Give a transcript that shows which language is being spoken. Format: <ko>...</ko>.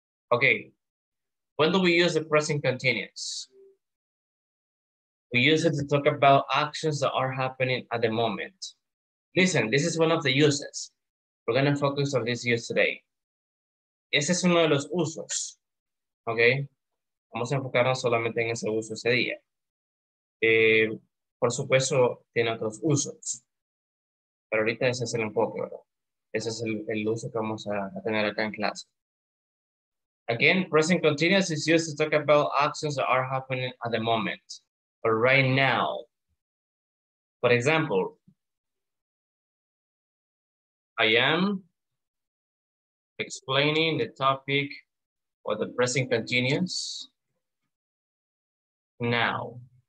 <en>Okay. When do we use the present continuous? We use it to talk about actions that are happening at the moment. Listen, this is one of the uses. We're going to focus on this use today.</en> <es>Ese es uno de los usos. Okay. Vamos a enfocarnos solamente en ese uso ese día. Por supuesto, tiene otros usos. Pero ahorita ese es el enfoque, ¿verdad? Ese es el uso que vamos a tener acá en clase.</es> <en>Again, present continuous is used to talk about actions that are happening at the moment, or right now. For example, I am explaining the topic or the present continuous now.</en>